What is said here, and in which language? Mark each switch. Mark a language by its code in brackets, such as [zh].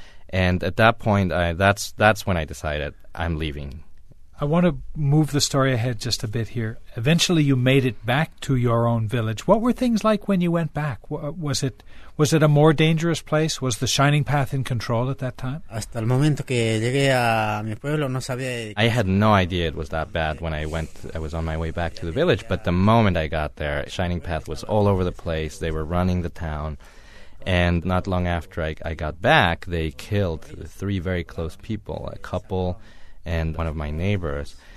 [en] And at that point, that's when I decided I'm leaving. I want to move the story ahead just a bit here. Eventually, you made it back to your own village. What were things like when you went back? Was it a more dangerous place? Was the Shining Path in control at that time? [es] Hasta el momento que llegué a mi pueblo, no sabía. [en] I had no idea it was that bad when I went. I was on my way back to the village, but the moment I got there, Shining Path was all over the place. They were running the town. And not long after I got back, they killed three very close people, a couple and one of my neighbors.